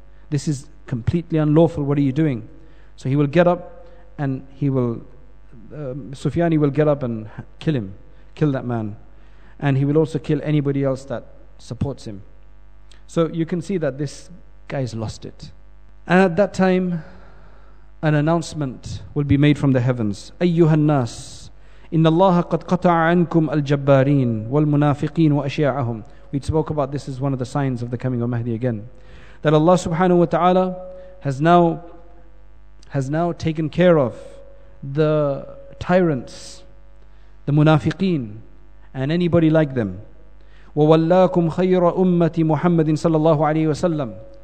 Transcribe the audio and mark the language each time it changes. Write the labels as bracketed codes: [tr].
[en] This is completely unlawful, what are you doing? So he will get up and he will, Sufyani will get up and kill that man. And he will also kill anybody else that supports him. So you can see that this guy's lost it. And at that time, an announcement will be made from the heavens. [ar] أيها الناس إن الله قد قطع عنكم الجبارين والمنافقين وأشياعهم. [en] We spoke about this as one of the signs of the coming of Mahdi again. That Allah subhanahu wa ta'ala has now taken care of the tyrants, the munafiqeen, and anybody like them. [ar] وَوَلَّاكُمْ خَيْرَ أُمَّةِ مُحَمَّدٍ صَلَّى اللَّهُ عَلَيْهِ وَسَلَّمُ.